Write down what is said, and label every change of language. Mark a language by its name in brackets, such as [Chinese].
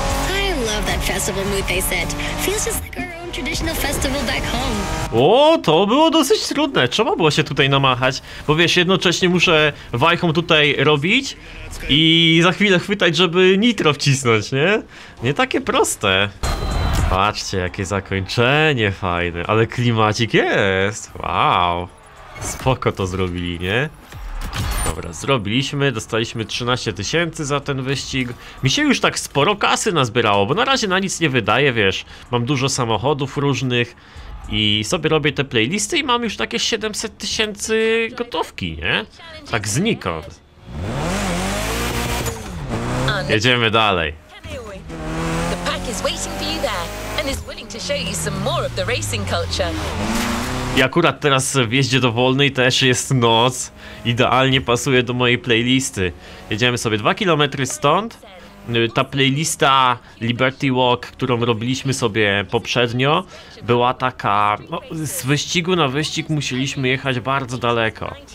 [English] I love that festival mood they set. Feels just like our own traditional festival back home. [Polish] O, to było dosyć trudne. Trzeba było się tutaj namachać, bo wiesz, jednocześnie muszę wajchą tutaj robić i za chwilę chwytać, żeby nitro wcisnąć, nie? Nie takie proste. Patrzcie, jakie zakończenie fajne, ale klimacik jest, wow. Spoko to zrobili, nie? Dobra, zrobiliśmy, dostaliśmy 13 tysięcy za ten wyścig. Mi się już tak sporo kasy nazbierało, bo na razie na nic nie wydaje, wiesz. Mam dużo samochodów różnych i sobie robię te playlisty i mam już takie 700 tysięcy gotówki, nie? Tak znikąd. Jedziemy dalej. [English] The pack is waiting for you there and is willing to show you some more of the racing culture. [Polish] I akurat teraz w jeździe do wolnej też jest noc. Idealnie pasuje do mojej playlisty. Jedziemy sobie 2 km stąd. Ta playlista Liberty Walk, którą robiliśmy sobie poprzednio, była taka, no, z wyścigu na wyścig musieliśmy jechać bardzo daleko.